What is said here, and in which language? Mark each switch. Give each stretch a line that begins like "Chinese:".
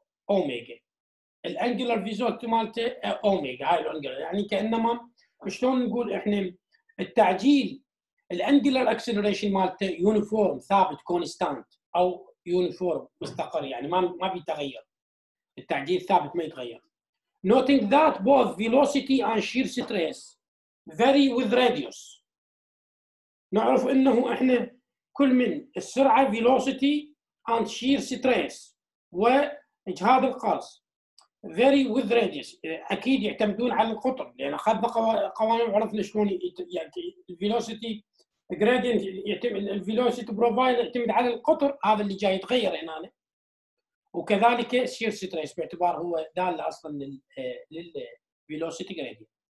Arabic: اوميجا الانجلر فيزوتي مالته اوميجا هاي الانجلر يعني كانما شلون نقول احنا التعجيل الانجلر اكسلريشن مالته يونيفورم ثابت كونستانت او يونيفورم مستقر يعني ما بيتغير التعديل ثابت ما يتغير.
English: Noting that both velocity and shear stress vary with radius.
Arabic: نعرف انه احنا كل من السرعة velocity and shear stress واجهاد القرص vary with radius اكيد يعتمدون على القطر لان اخذنا قوانين وعرفنا شلون يعني velocity gradient يعتمد velocity profile يعتمد على القطر هذا اللي جاي يتغير هنا وكذلك shear stress باعتبار هو دال اصلا لل velocity gradient.